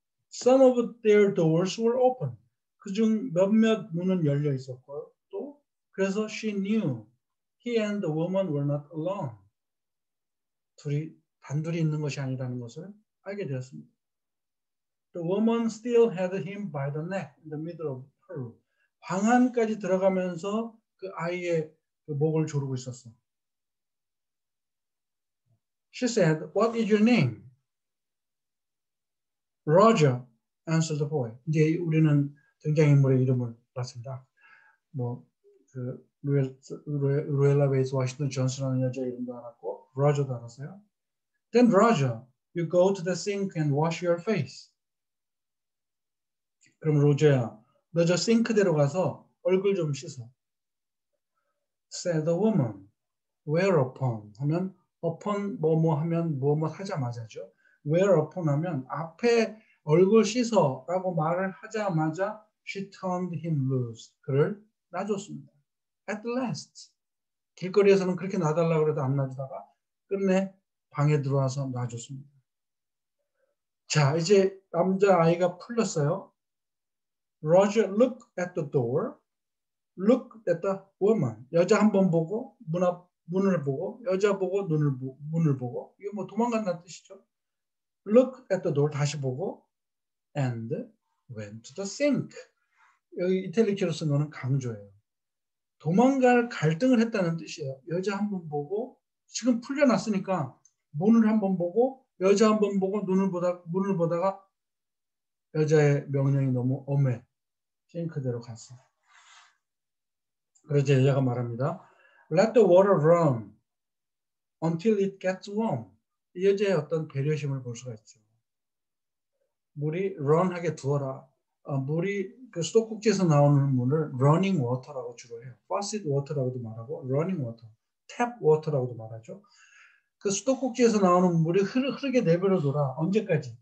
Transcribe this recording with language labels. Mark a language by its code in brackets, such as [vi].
[en] Some of their doors were open. [ko] 그중 몇몇 문은 열려 있었고 또 그래서 [en] she knew he and the woman were not alone. [ko] 둘이 단둘이 있는 것이 아니라는 것을 알게 되었습니다. [en] The woman still had him by the neck in the middle of her room. [ko] 방 안까지 들어가면서 그 아이의 그 목을 조르고 있었어. [en] She said, "What is your name?" Roger answered the boy. [ko] 이제 우리는 등장인물의 이름을 봤습니다. 뭐 그 루엘라 베이스 워싱턴 존스라는 여자 이름도 알았고 Roger도 알았어요. [en] Then Roger, you go to the sink and wash your face. [ko] 그럼 로저야, 너 저 싱크대로 가서 얼굴 좀 씻어. [en] Said the woman. [ko] Whereupon 하면 upon 뭐뭐 하면 뭐뭐 하자마자죠. Whereupon 하면 앞에 얼굴 씻어라고 말을 하자마자 [en] she turned him loose. [ko] 그를 놔줬습니다. [en] At last. [ko] 길거리에서는 그렇게 놔달라고 해도 안 놔주다가 끝내 방에 들어와서 놔줬습니다. 자, 이제 남자아이가 풀렸어요. [en] Roger looked at the door, looked at the woman. [ko] 여자 한번 보고 문을 보고 여자 보고 문을 보고 이거 뭐 도망간다는 뜻이죠. [en] Looked at the door [ko] 다시 보고 [en] and went to the sink. [ko] 여기 이탈리키로 쓴 거는 강조예요. 도망갈 갈등을 했다는 뜻이에요. 여자 한번 보고 지금 풀려났으니까 문을 한번 보고 여자 한번 보고 문을 보다가 여자의 명령이 너무 엄해. 싱크대로 갔어. 그러자 여자가 말합니다. [en] Let the water run until it gets warm. [ko] 이 여자의 어떤 배려심을 볼 수가 있죠. 물이 run하게 두어라. 물이 그 수도꼭지에서 나오는 물을 running water라고 주로 해요. Faucet water라고도 말하고 running water, tap water라고도 말하죠. 그 수도꼭지에서 나오는 물이 흐르게 내버려 둬라. 언제까지?